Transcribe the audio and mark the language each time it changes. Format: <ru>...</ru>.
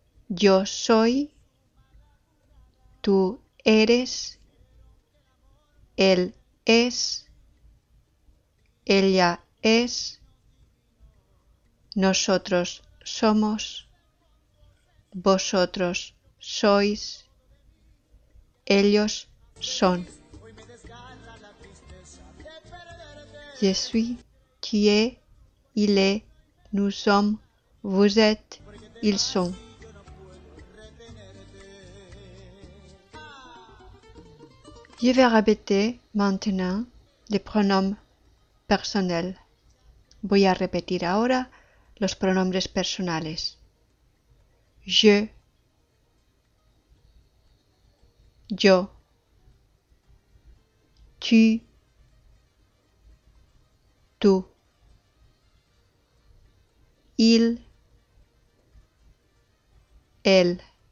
<es>Yo soy, tú eres, él es, ella es, nosotros somos, vosotros sois, ellos son.</es> <fr>Je suis, qui est, il est, nous sommes, vous êtes, ils sont. Je vais répéter maintenant les pronoms personnels.</fr> <es>Voy a repetir ahora los pronombres personales.</es> <fr>Je,</fr> <es>yo,</es> <fr>tu,</fr> <es>tú,</es> <fr>il,</fr> <es>él,</es>